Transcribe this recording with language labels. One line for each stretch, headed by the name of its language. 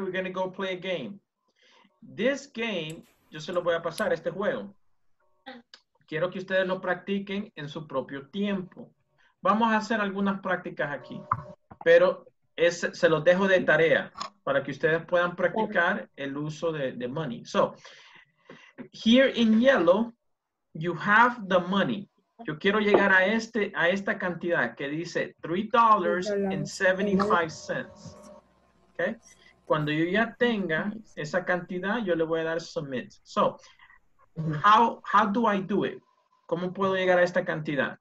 English: We're going to go play a game. This game,
Spanish: yo se lo voy a pasar, este juego. Quiero que ustedes lo practiquen en su propio tiempo. Vamos a hacer algunas prácticas aquí, pero se los dejo de tarea para que ustedes puedan practicar el uso de money.
English: So, here in yellow, you have the money.
Spanish: Yo quiero llegar a este a esta cantidad que dice $3.75. Okay? Cuando yo ya tenga esa cantidad, yo le voy a dar submit.
English: So, how do I do it?
Spanish: ¿Cómo puedo llegar a esta cantidad?